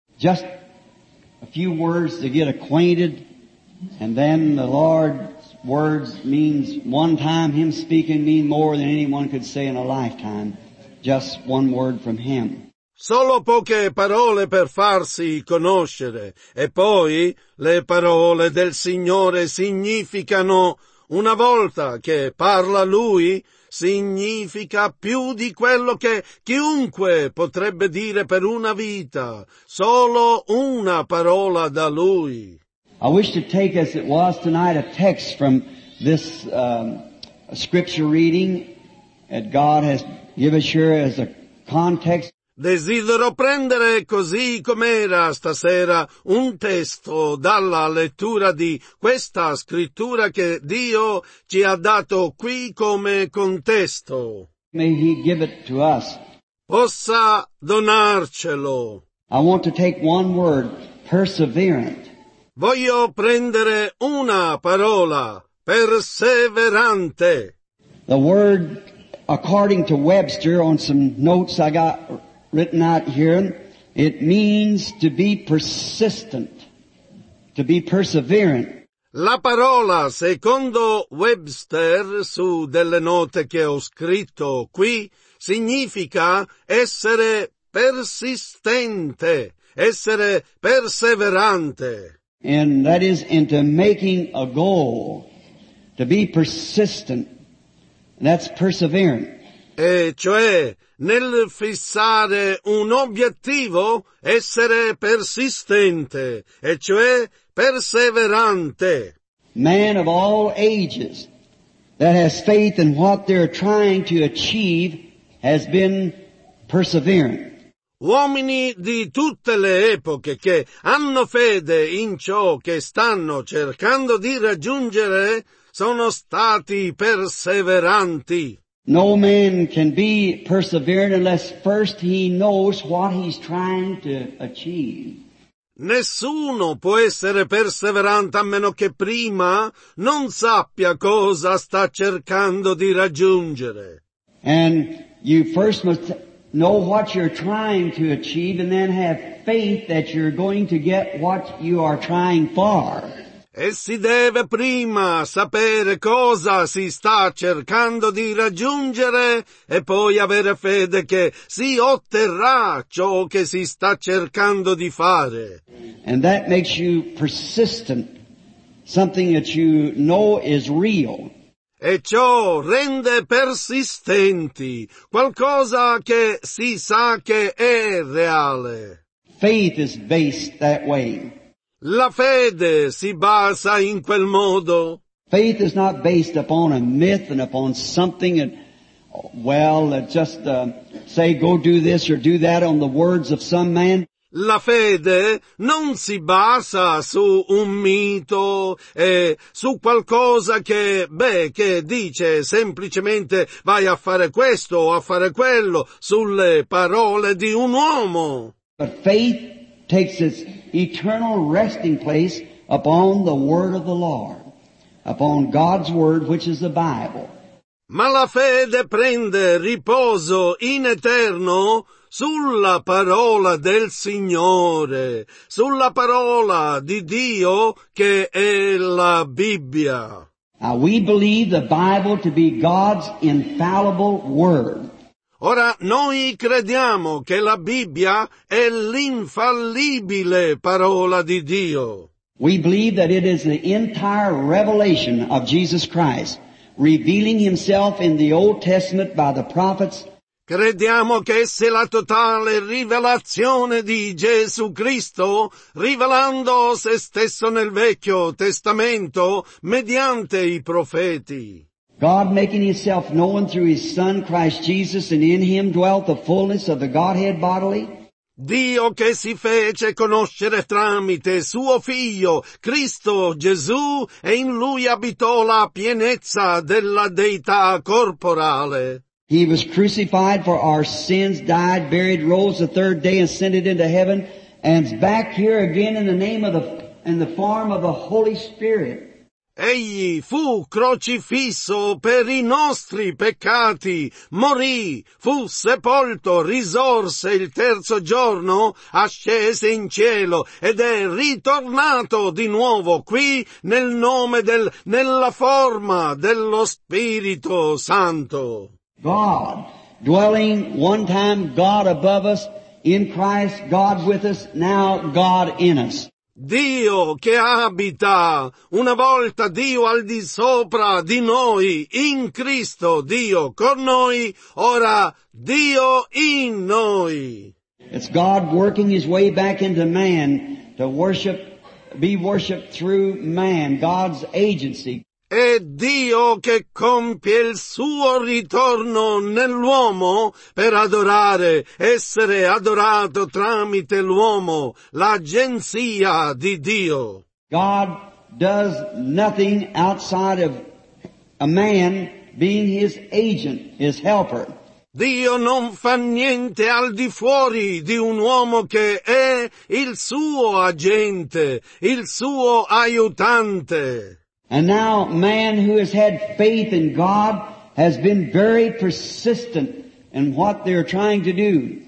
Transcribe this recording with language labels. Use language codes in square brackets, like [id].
[en] Just a few words to get acquainted, and then the Lord's words means one time Him speaking mean more than anyone could say in a lifetime. Just one word from Him. [it] Solo poche parole per farsi conoscere, e poi le parole del Signore significano una volta che parla Lui, significa più di quello che chiunque potrebbe dire per una vita, solo una parola da Lui. [en] I wish to take as it was tonight a text from this scripture reading that God has given us here as a context. [it] Desidero prendere così com'era stasera un testo dalla lettura di questa scrittura che Dio ci ha dato qui come contesto. [en] May He give it to us. [it] Possa donarcelo. [en] I want to take one word, perseverant. [it] Voglio prendere una parola, perseverante. [en] The word, according to Webster, on some notes I got written out here, it means to be persistent, to be perseverant. [it] La parola, secondo Webster, su delle note che ho scritto qui, significa essere persistente, essere perseverante. [en] And that is into making a goal, to be persistent, that's perseverant. [it] E cioè, nel fissare un obiettivo, essere persistente, e cioè perseverante. [en] Man of all ages that has faith in what they're trying to achieve has been perseverant. [it] Uomini di tutte le epoche che hanno fede in ciò che stanno cercando di raggiungere sono stati perseveranti. [en] No man can be perseverant unless first he knows what he's trying to achieve. [it] Nessuno può essere perseverante a meno che prima non sappia cosa sta cercando di raggiungere. [en] And you first must know what you're trying to achieve and then have faith that you're going to get what you are trying for. [it] E si deve prima sapere cosa si sta cercando di raggiungere e poi avere fede che si otterrà ciò che si sta cercando di fare. [en] And that makes you persistent, something that you know is real. [it] E ciò rende persistenti qualcosa che si sa che è reale. [en] Faith is based that way. [it] La fede si basa in quel modo. [en] Faith is not based upon a myth and upon something and, well, just say go do this or do that on the words of some man. [it] La fede non si basa su un mito e su qualcosa che dice semplicemente vai a fare questo o a fare quello sulle parole di un uomo. [en] But faith takes its eternal resting place upon the word of the Lord, upon God's word, which is the Bible. [it] Ma la fede prende riposo in eterno sulla parola del Signore, sulla parola di Dio che è la Bibbia. [en] Now we believe the Bible to be God's infallible word. [it] Ora, noi crediamo che la Bibbia è l'infallibile parola di Dio. [en] We believe that it is the entire revelation of Jesus Christ, revealing himself in the Old Testament by the prophets. [it] Crediamo che esse la totale rivelazione di Gesù Cristo, rivelando se stesso nel Vecchio Testamento mediante i profeti. [en] God making himself known through his Son Christ Jesus, and in him dwelt the fullness of the Godhead bodily. [it] Dio che si fece conoscere tramite suo figlio, Cristo Gesù, e in lui abitò la pienezza della deità corporale. [en] He was crucified for our sins, died, buried, rose the third day, ascended into heaven, and is back here again in the name of the, in the form of the Holy Spirit. [it] Egli fu crocifisso per i nostri peccati, morì, fu sepolto, risorse il terzo giorno, ascese in cielo ed è ritornato di nuovo qui nel nome del, nella forma dello Spirito Santo. [en] God, dwelling one time God above us, in Christ God with us, now God in us. [it] Dio che abita, una volta Dio al di sopra di noi, in Cristo Dio con noi, ora Dio in noi. [en] It's God working his way back into man to worship, be worshiped through man, God's agency. [it] È Dio che compie il suo ritorno nell'uomo per adorare, essere adorato tramite l'uomo, l'agenzia di Dio. [en] God does nothing outside of a man being his agent, his helper. [it] Dio non fa niente al di fuori di un uomo che è il suo agente, il suo aiutante. [en] And now man who has had faith in God has been very persistent in what they're trying to do.